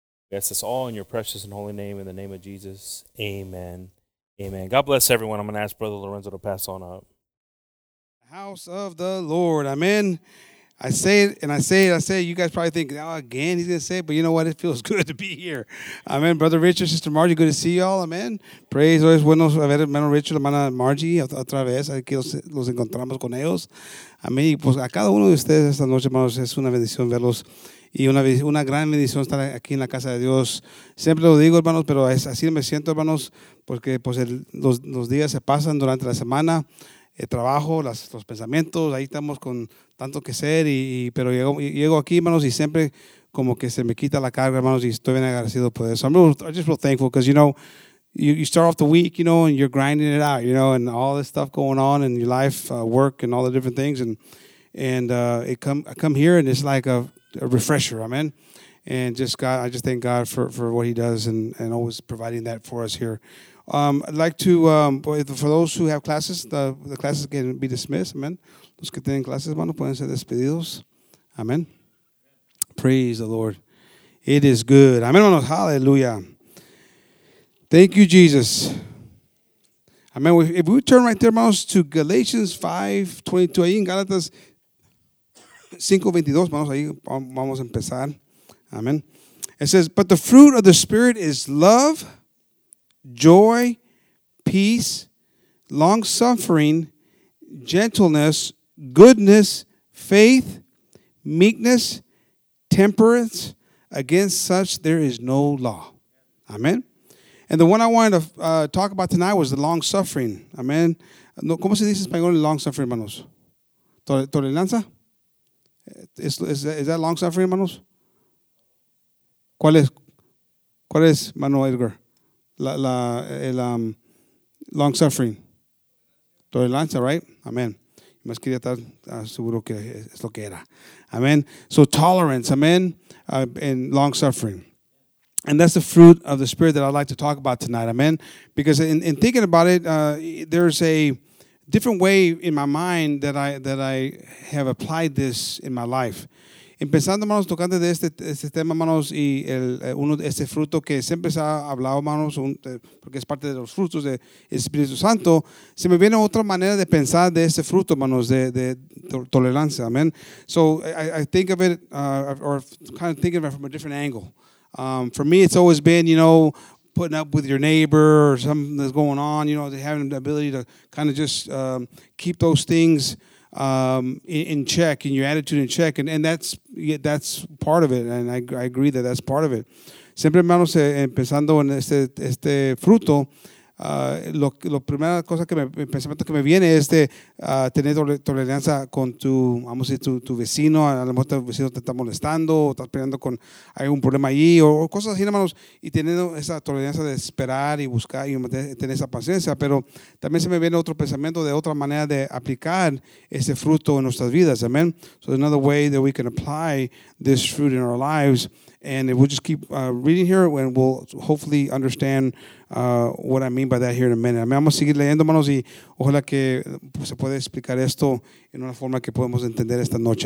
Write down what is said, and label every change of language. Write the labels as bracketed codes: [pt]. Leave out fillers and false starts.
[en] We ask this all in your precious and holy name, in the name of Jesus. Amen. Amen. God bless everyone. I'm going to ask brother Lorenzo to pass on up. House of the Lord. Amen. I say it, you guys probably think, oh, again, he's going to say it, but you know what? It feels good to be here. Amen. Brother Richard, Sister Margie, good to see you all. Amen. Praise always [es] buenos haber, hermano Richard, hermana Margie, otra vez, aquí los encontramos con ellos. Amén. Y pues a cada uno de ustedes esta noche, hermanos, es una bendición verlos y una gran bendición estar aquí en la casa de Dios. Siempre lo digo, hermanos, pero es, así me siento, hermanos, porque pues los días se pasan durante la semana. El trabajo, los pensamientos, ahí estamos con tanto que ser, pero llego aquí, hermanos, y siempre como que se me quita la carga, hermanos, y estoy bien agradecido por eso. [en] I'm just real thankful because, you know, you start off the week, you know, and you're grinding it out, you know, and all this stuff going on in your life, work and all the different things. I come here and it's like a refresher, amen. And just God, I just thank God for what he does and always providing that for us here. I'd like to, for those who have classes, the classes can be dismissed. Amen. [es] Los que tienen clases, hermano, pueden ser despedidos. [en] Amen. Praise the Lord. It is good. Amen, hermanos. Hallelujah. Thank you, Jesus. Amen. If we turn right there, hermanos, to Galatians 5:22, [es] ahí en Gálatas 5:22, hermanos, ahí vamos a empezar. [en] Amen. It says, but the fruit of the Spirit is love, joy, peace, long-suffering, gentleness, goodness, faith, meekness, temperance. Against such there is no law. Amen. And the one I wanted to talk about tonight was the long-suffering. Amen. [es] ¿Cómo se dice en español long-suffering, hermanos? [en] ¿Tolerancia? Is that long-suffering, hermanos? [es] ¿Cuál es, hermano Edgar? El long suffering. Tolerancia, right? Amen. Más quería estar seguro que es lo que era. [en] Amen. So tolerance, amen, and long suffering. And that's the fruit of the Spirit that I'd like to talk about tonight. Amen. Because in thinking about it, there's a different way in my mind that I have applied this in my life. [es] Empezando, hermanos, tocando de este tema, hermanos, y uno de este fruto que siempre se ha hablado, hermanos, porque es parte de los frutos del Espíritu Santo, se me viene otra manera de pensar de este fruto, hermanos, de tolerancia, amen. [en] So I think of it, or kind of thinking of it from a different angle. For me, it's always been, you know, putting up with your neighbor or something that's going on, you know, having the ability to kind of just keep those things in check, in your attitude in check, and that's part of it, and I agree that that's part of it. [es] Siempre, hermanos, empezando en este fruto, lo primera cosa que me pensamiento que me viene es tener tolerancia con tu, vamos a decir, tu vecino. A lo mejor tu vecino te está molestando o estás peleando con algún problema allí o cosas así, hermanos, y teniendo esa tolerancia de esperar y buscar y tener esa paciencia. Pero también se me viene otro pensamiento de otra manera de aplicar ese fruto en nuestras vidas. Amen. [en] So another way that we can apply this fruit in our lives. And if we'll just keep reading here, and we'll hopefully understand what I mean by that here in a minute. Amen. [es] Vamos a seguir leyendo, hermanos, y ojalá que se pueda explicar esto en una forma que podemos entender esta noche.